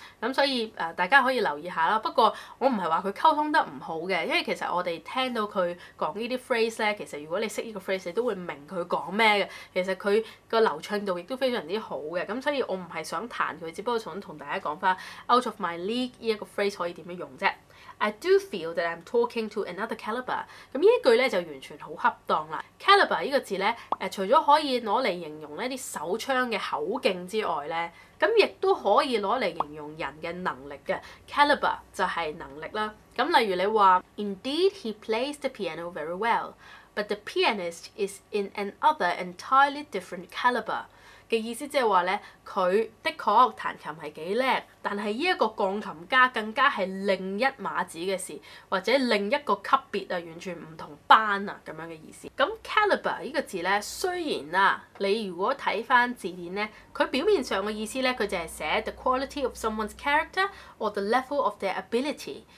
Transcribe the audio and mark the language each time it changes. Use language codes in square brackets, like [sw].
[yue] 咁所以大家可以留意一下啦。不過我唔係話佢溝通得唔好嘅，因為其實我哋聽到佢講依啲 phrase 咧，其實如果你識依個 phrase， 你都會明佢講咩嘅。其實佢個流暢度亦都非常之好嘅。咁所以我唔係想彈佢，只不過想同大家講翻 out of my league 依一個 phrase 可以點樣用啫。 [en] I do feel that I'm talking to another calibre。 [yue] 咁呢句咧就完全好恰當啦。 calibre 呢個字咧，除咗可以攞嚟形容咧啲手槍嘅口径之外咧，咁亦都可以攞嚟形容人嘅能力嘅。 calibre 就係能力啦。咁例如你話 ， [en] Indeed he plays the piano very well， but the pianist is in another entirely different calibre。 [yue] 嘅意思即係話咧，佢的確彈琴係幾叻，但係依一個鋼琴家更加係另一碼子嘅事，或者另一個級別啊，完全唔同班啊咁樣嘅意思。咁 calibre 呢個字咧，雖然啦，你如果睇翻字典咧，佢表面上嘅意思咧，佢就係寫 [en] the quality of someone's character or the level of their ability。